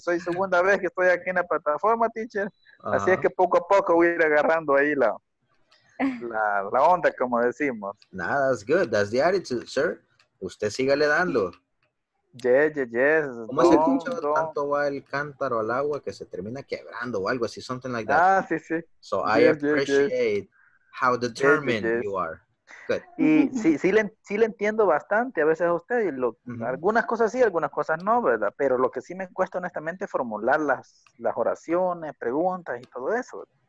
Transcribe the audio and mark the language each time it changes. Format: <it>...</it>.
<es>Soy segunda vez que estoy aquí en la plataforma, teacher. Uh-huh. Así es que poco a poco voy a ir agarrando ahí la onda, como decimos.</es> <en>Nah, that's good. That's the attitude, sir.</en> <es>Usted sígale dando.</es> <en>Yes, yes, yes.</en> <es>¿Cómo es el dicho? Tanto va el cántaro al agua que se termina quebrando o algo así.</es> <en>Something like that.</en> <es>Ah, sí, sí.</es> <en>So yes, I appreciate how determined you are. Good.</en> <es>Y sí le entiendo bastante a veces a usted, y mm-hmm. algunas cosas sí, algunas cosas no, ¿verdad? Pero lo que sí me cuesta honestamente formular las oraciones, preguntas y todo eso.</es>